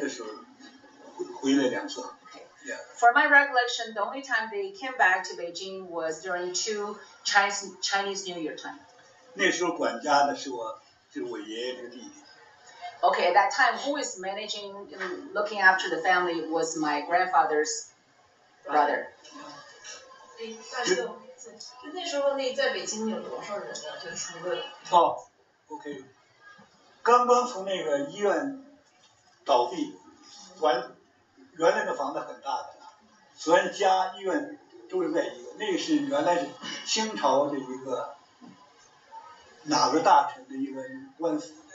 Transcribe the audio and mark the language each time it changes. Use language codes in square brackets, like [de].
[zh] 在我印象里只是两次过中国春节的时候回来两次。 [en] For my recollection, the only time they came back to Beijing was during two Chinese New Year time. [zh] 那时候管家的是我爷爷的弟弟。 [en] Okay, at that time, who is managing and looking after the family was my grandfather's brother. [zh] 那时候在北京有多少人呢？就除了哦，OK，刚刚从那个医院倒闭，原来那房子很大的，虽然家医院都是在一个，那个是原来是清朝的一个哪个大臣的一个官府。